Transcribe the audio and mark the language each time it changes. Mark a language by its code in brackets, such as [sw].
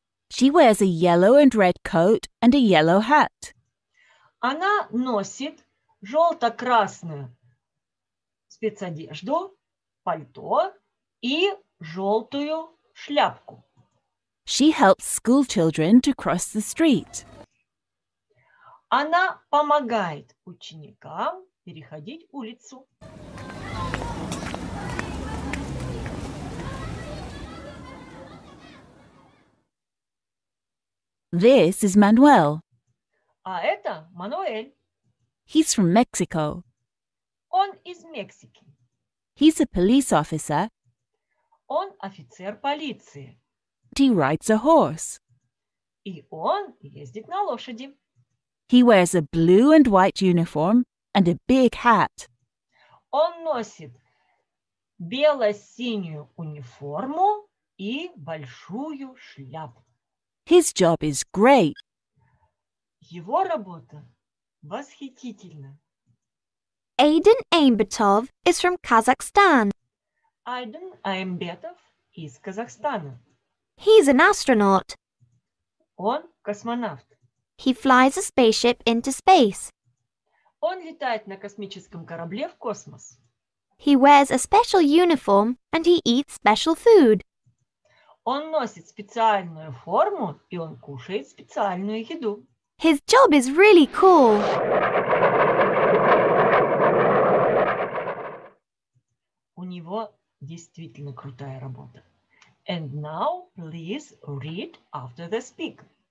[en] She wears a yellow and red coat and a yellow hat. [ru] Она носит желто-красную спецодежду, пальто и желтую шляпку. [en] She helps school children to cross the street. [ru] Она помогает ученикам переходить улицу. [en] This is Manuel. [ru] А это Мануэль. [en] He's from Mexico. [ru] Он из Мексики. [en] He's a police officer. [ru] Он офицер полиции. [en] He rides a horse. [ru] И он ездит на лошади. [en] He wears a blue and white uniform and a big hat. [ru] Он носит бело-синюю униформу и большую шляпу. [en] His job is great. [ru] Его работа восхитительна. [en] Aidan Aimbetov is from Kazakhstan. [ru] Aidan Aimbetov из Казахстана. [en] He's an astronaut. [ru] Он космонавт. [en] He flies a spaceship into space. [ru] Он летает на космическом корабле в космос. [en] He wears a special uniform and he eats special food. [ru] Он носит специальную форму, и он кушает специальную еду. [en] His job is really cool. [ru] У него действительно крутая работа. [en] And now, please read after the speaker.